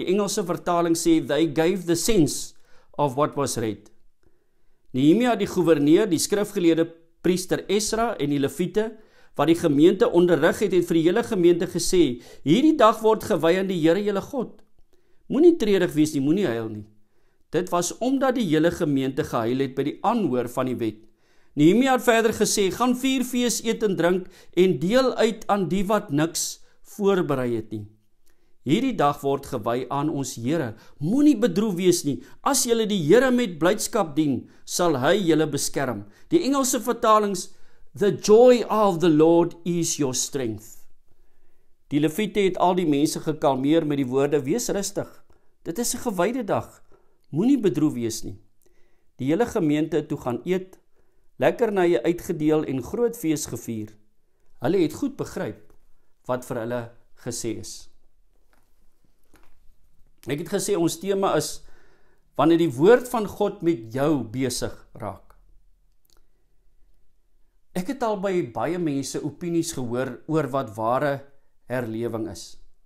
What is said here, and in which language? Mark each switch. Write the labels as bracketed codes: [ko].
[af] Die Engelse vertaling sê, [en] they gave the sense of what was read. [af] Nehemia die goewerneur, die skrifgeleerde priester Esra en die Leviete, wat die gemeente onderrig het, het vir die hele gemeente gesê, hierdie dag word gewy aan die Here julle God. Moenie tredig wees nie, moenie huil nie. Dit was omdat die hele gemeente gehuil het by die aanhoor van die wet. Nehemia het verder gesê, gaan vier fees eet en drink en deel uit aan die wat niks voorberei het nie. Hierdie dag word gewy aan ons Here. Moenie bedroef wees nie. As julle die Here met blydskap dien, sal hy julle beskerm. Die Engelse vertalings, [en] the joy of the Lord is your strength. [af] Die Leviete het al die mense gekalmeer met die woorde, wees rustig, dit is 'n gewyde dag, moenie bedroef wees nie. Die hele gemeente toe gaan eet, lekkernye uitgedeel en groot fees gevier. Hulle het goed begryp wat vir hulle gesê is. Ek het gesê ons tema is, wanneer die woord van God met jou besig raak. Ek het al by baie mense opinies gehoor oor wat ware herlewing is.